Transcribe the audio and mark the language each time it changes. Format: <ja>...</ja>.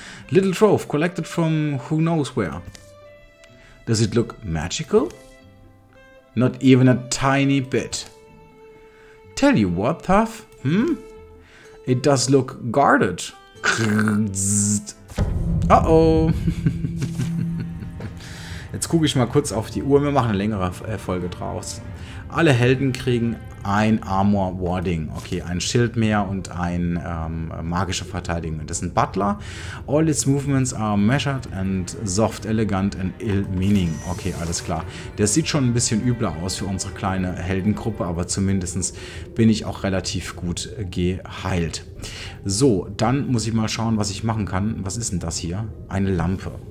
<en>Little trove collected from who knows where. Does it look magical? Not even a tiny bit. Tell you what, Thuff, It does look guarded. Uh-oh.</en> <de>Jetzt gucke ich mal kurz auf die Uhr. Wir machen eine längere Folge draus. Alle Helden kriegen ein Armor Warding. Okay, ein Schild mehr und ein magischer Verteidigung. Das ist ein Butler.</de> <en>All its movements are measured and soft, elegant and ill-meaning.</en> <de>Okay, alles klar. Das sieht schon ein bisschen übler aus für unsere kleine Heldengruppe, aber zumindest bin ich auch relativ gut geheilt. So, dann muss ich mal schauen, was ich machen kann. Was ist denn das hier? Eine Lampe.</de>